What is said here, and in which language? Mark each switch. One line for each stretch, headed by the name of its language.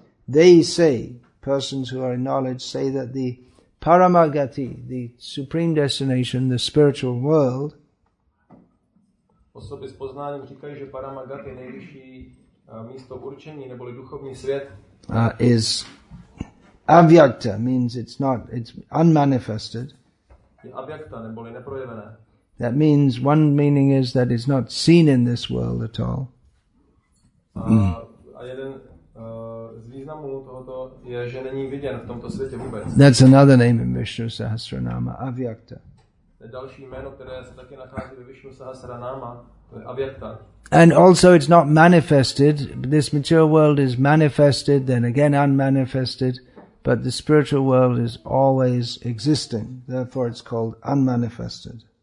English: They say, persons who are in knowledge, say that the paramāṅgati, the supreme destination, the spiritual world,
Czech: osoby s poznáním říkají, že paramāṅgati, nejvyšší místo určení, neboli duchovní svět,
English: is avyakta, means it's not, it's unmanifested.
Czech: Abjakta, neboli neprojevené.
English: That means one meaning is that it's not seen in this world at all.
Czech: A jeden z významů tohoto je, že není viděn v tomto světě vůbec.
English: That's another name in Vishnu Sahasranama, Avyakta.
Czech: To je další jméno, které se taky nachází ve Vishnu Sahasranama, to je Avyakta.
English: And also it's not manifested. This material world is manifested, then again unmanifested. But the spiritual world is always existing, therefore it's called unmanifested.